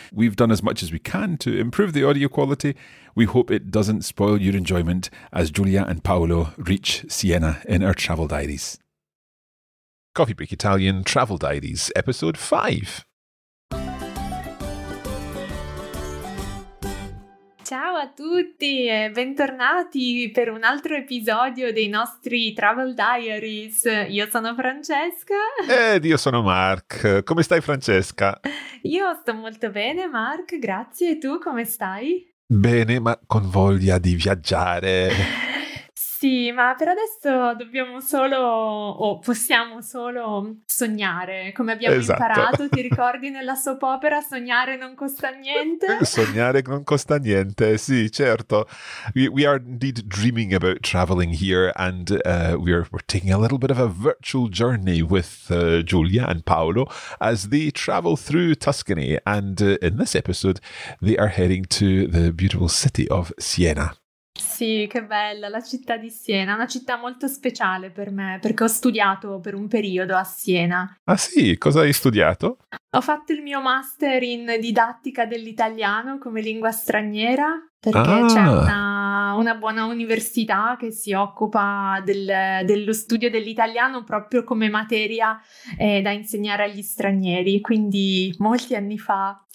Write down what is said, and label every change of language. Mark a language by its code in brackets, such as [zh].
[en] We've done as much as we can to improve the audio quality. We hope it doesn't spoil your enjoyment as Giulia and Paolo reach Siena in our travel diaries. Coffee Break Italian Travel Diaries, episode 5. [it] Ciao a tutti e bentornati per un altro episodio dei nostri Travel Diaries. Io sono Francesca. Ed io sono Mark. Come stai, Francesca? Io sto molto bene, Mark. Grazie. E tu come stai? Bene, ma con voglia di viaggiare. Sì, ma per adesso dobbiamo solo, o possiamo solo sognare, come abbiamo imparato, ti ricordi nella soap opera, sognare non costa niente? Sognare non costa niente, sì, certo. [en] We are indeed dreaming about traveling here and we're taking a little bit of a virtual journey with Giulia and Paolo as they travel through Tuscany and in this episode they are heading to the beautiful city of Siena. [it] Sì, che bella, la città di Siena, una città molto speciale per me, perché ho studiato per un periodo a Siena. Ah sì? Cosa hai studiato? Ho fatto il mio master in didattica dell'italiano come lingua straniera, perché c'è una buona università che si occupa dello studio dell'italiano proprio come materia da insegnare agli stranieri, quindi molti anni fa.